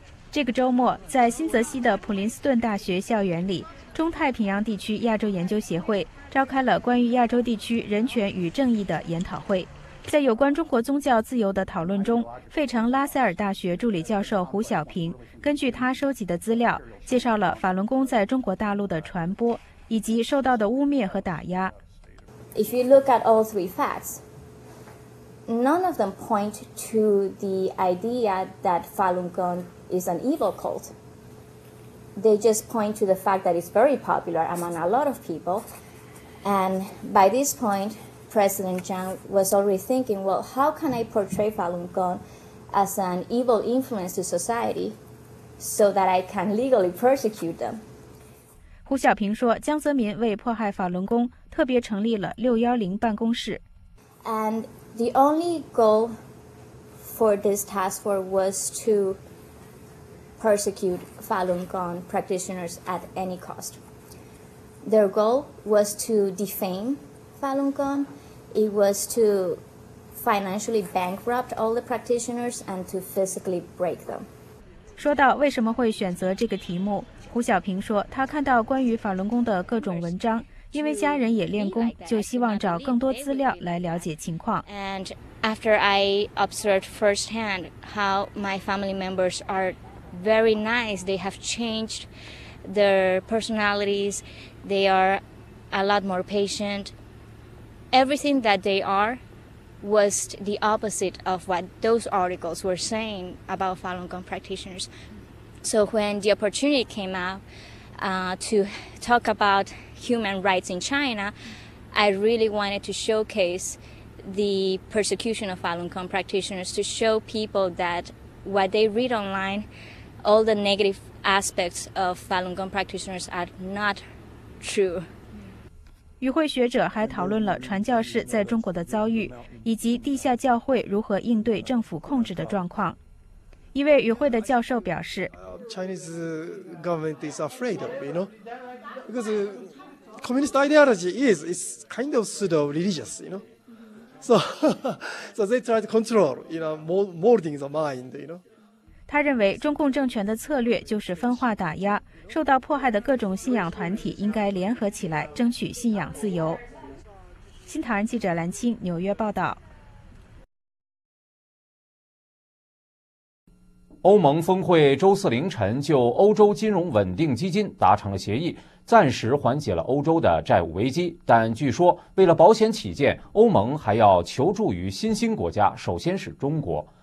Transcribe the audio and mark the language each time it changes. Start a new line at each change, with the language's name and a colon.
Chinese: 这个周末，在新泽西的普林斯顿大学校园里，中太平洋地区亚洲研究协会召开了关于亚洲地区人权与正义的研讨会。在有关中国宗教自由的讨论中，费城拉塞尔大学助理教授胡晓平根据他收集的资料，介绍了法轮功在中国大陆的传播以及受到的污蔑和打压。
English: If you look at all three facts, none of them point to the idea that Falun Gong is an evil cult. They just point to the fact that it's very popular among a lot of people. And by this point,President Zhang was already thinking, well, how can I portray Falun Gong as an evil influence to society so that I can legally persecute them?
Chinese: 胡晓平说，江泽民为迫害法轮功特别成立了610办公室。
English: And the only goal for this task force was to persecute Falun Gong practitioners at any cost. Their goal was to defame Falun Gong. It was to financially bankrupt all the practitioners and to physically break them.
Chinese: 说到为什么会选择这个题目，胡晓平说，他看到关于法轮功的各种文章，因为家人也练功，就希望找更多资料来了解情况。
English: And after I observed firsthand how my family members are very nice, they have changed their personalities, they are a lot more patient. Everything that they are was the opposite of what those articles were saying about Falun Gong practitioners. So when the opportunity came up to talk about human rights in China, I really wanted to showcase the persecution of Falun Gong practitioners to show people that what they read online, all the negative aspects of Falun Gong practitioners are not true.
Chinese: 与会学者还讨论了传教士在中国的遭遇，以及地下教会如何应对政府控制的状况。一位与会的教授表示
English: ：“Chinese government is afraid, you know, because communist ideology is kind of pseudo religious, you know. So they try to control, you know, molding the mind, you know.”
Chinese: 他认为，中共政权的策略就是分化打压，受到迫害的各种信仰团体应该联合起来争取信仰自由。新唐人记者蓝青纽约报道。欧盟峰会周四凌晨就欧洲金融稳定基金达成了协议，暂时缓解了欧洲的债务危机，但据说为了保险起见，欧盟还要求助于新兴国家，首先是中国。